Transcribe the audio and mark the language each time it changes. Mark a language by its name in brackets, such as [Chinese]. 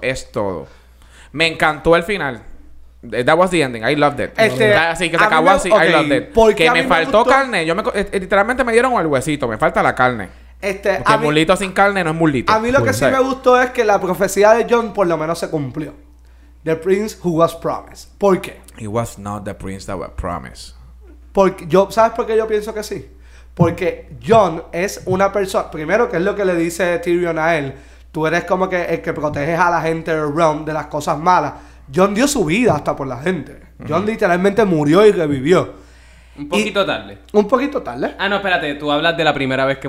[Spanish] Es todo. Me encantó el final. [English] That was the ending. I loved it. [Spanish] Así que se acabó así. Okay. [English] I loved it. [Spanish] Porque me faltó carne. Literalmente me dieron el huesito. Me falta la carne. Porque mulito sin carne no es mulito. A mí lo que sí me gustó es que la profecía de Jon por lo menos se cumplió. [English] The prince who was promised. [Spanish] ¿Por qué? [English] He was not the prince that was promised. [Spanish] ¿Sabes por qué yo pienso que sí? Porque Jon es una persona... Primero, que es lo que le dice Tyrion a él. Tú eres como que el que proteges a la gente del realm de las cosas malas. Jon dio su vida hasta por la gente. Jon literalmente murió y revivió. Un poquito tarde. Un poquito tarde. Ah, no, espérate. Tú hablas de la primera vez que